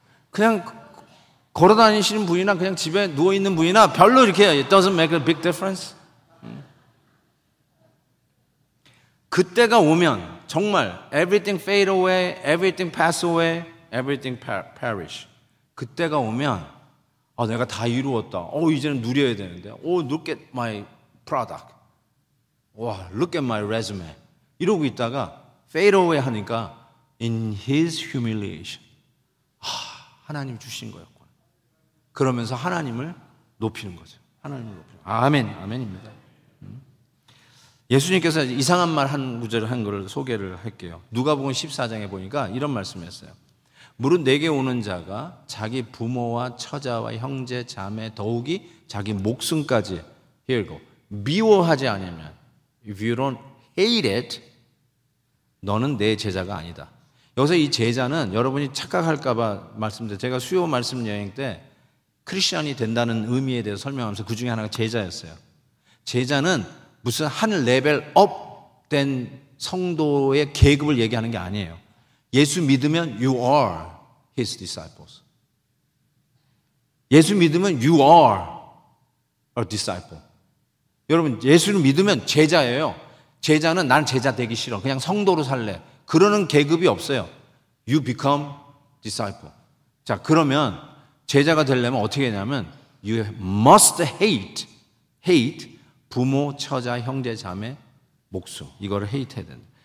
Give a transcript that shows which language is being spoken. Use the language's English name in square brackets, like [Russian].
[Korean] 그냥 걸어다니시는 분이나 그냥 집에 누워있는 분이나 별로 이렇게 [English] it doesn't make a big difference. [Korean] 그때가 오면 정말 [English] everything fade away, everything pass away, everything perish. [Korean] 그때가 오면 아, 내가 다 이루었다. 오, 이제는 누려야 되는데. [English] 오, look at my product. 와, look at my resume. [Korean] 이러고 있다가 [English] fade away 하니까 in his humiliation. [Korean] 하, 하나님 주신 거였구나. 그러면서 하나님을 높이는 거죠. 하나님을 높이는 거죠. 아멘, 아멘입니다. 예수님께서 이상한 말 한 구절을 한 걸 소개를 할게요. 누가복음 14장에 보니까 이런 말씀했어요. 무릇 내게 오는 자가 자기 부모와 처자와 형제, 자매, 더욱이 자기 목숨까지 힐고 미워하지 않으면 [English] if you don't hate it, [Korean] 너는 내 제자가 아니다. 여기서 이 제자는 여러분이 착각할까 봐 말씀드려요. 제가 수요 말씀 여행 때 크리스천이 된다는 의미에 대해서 설명하면서 그 중에 하나가 제자였어요. 제자는 무슨 한 레벨 업된 성도의 계급을 얘기하는 게 아니에요. 예수 믿으면 [English] you are his disciples. 예수 믿으면 you are a disciple. [Korean] 여러분 예수를 믿으면 제자예요. 제자는 난 제자 되기 싫어. 그냥 성도로 살래. 그러는 계급이 없어요. [English] You become disciple. [Korean] 자 그러면 제자가 되려면 어떻게 되냐면 [English] you must hate [Korean] 부모, 처자, 형제, 자매, 목숨. 이거를 hate해야 된다.